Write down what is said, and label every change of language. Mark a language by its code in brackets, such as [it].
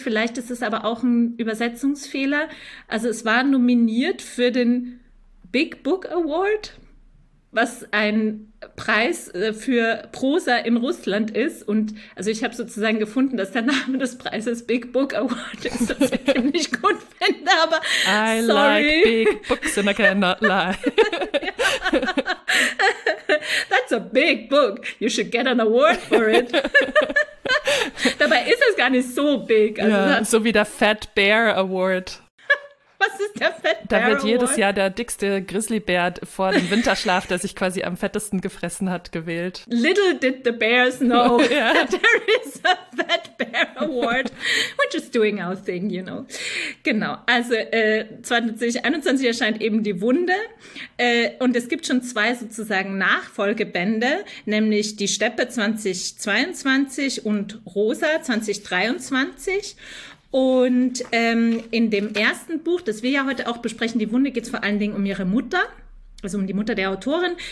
[de] Vielleicht ist es aber auch ein Übersetzungsfehler. Also es war nominiert für den Big Book Award, was ein Preis für Prosa in Russland ist. Und also ich habe sozusagen gefunden, dass der Name des Preises Big Book Award ist, was ich ziemlich gut finde, aber [en] I sorry. Like big books and I cannot lie. That's a big book. You should get an award for it. [de] Dabei ist es gar nicht so big. Also ja, so wie der Fat Bear Award. Was ist der Fat Bear Da wird Award? Jedes Jahr der dickste Grizzlybär vor dem Winterschlaf, der sich quasi am fettesten gefressen hat, gewählt. [en] Little did the bears know that there is a Fat Bear Award. We're just doing our thing, you know. [de] Genau, also 2021 erscheint eben Die Wunde. Und es gibt schon zwei sozusagen Nachfolgebände, nämlich Die Steppe 2022 und Rosa 2023. Und in dem ersten Buch, das wir ja heute auch besprechen, Die Wunde, geht es vor allen Dingen um ihre Mutter, also um die Mutter der Autorin.